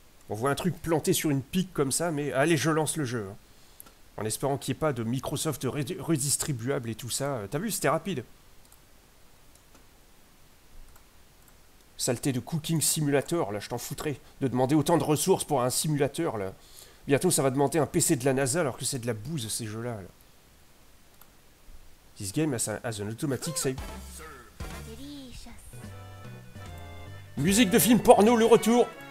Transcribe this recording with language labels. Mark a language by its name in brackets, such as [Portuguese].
[French] On voit un truc planté sur une pique comme ça, mais allez, je lance le jeu. En espérant qu'il n'y ait pas de Microsoft redistribuable et tout ça. T'as vu, c'était rapide. Saleté de Cooking Simulator, là, je t'en foutrais. De demander autant de ressources pour un simulateur, là. Bientôt, ça va demander un PC de la NASA alors que c'est de la bouse, ces jeux-là. Là. [English] This game has an automatic save. [French] Musique de film porno, le retour.